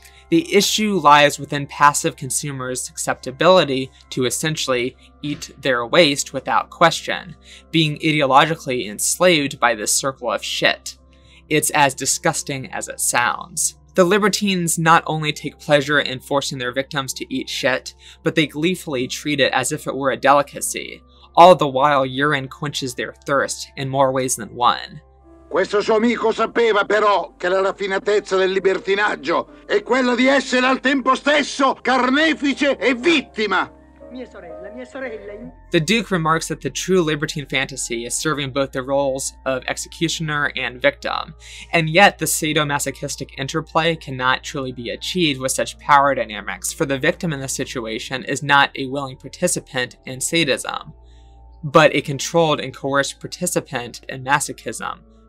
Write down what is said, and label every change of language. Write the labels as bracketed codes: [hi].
[en] The issue lies within passive consumers' susceptibility to essentially eat their waste without question, being ideologically enslaved by this circle of shit. It's as disgusting as it sounds. The libertines not only take pleasure in forcing their victims to eat shit, but they gleefully treat it as if it were a delicacy, all the while urine quenches their thirst in more ways than one. [it] Questo suo amico sapeva però che la raffinatezza del libertinaggio è quella di essere al tempo stesso carnefice e vittima. Mia sorella, mia sorella. [en] The Duke remarks that the true libertine fantasy is serving both the roles of executioner and victim, and yet the sadomasochistic interplay cannot truly be achieved with such power dynamics, for the victim in the situation is not a willing participant in sadism, but a controlled and coerced participant in masochism.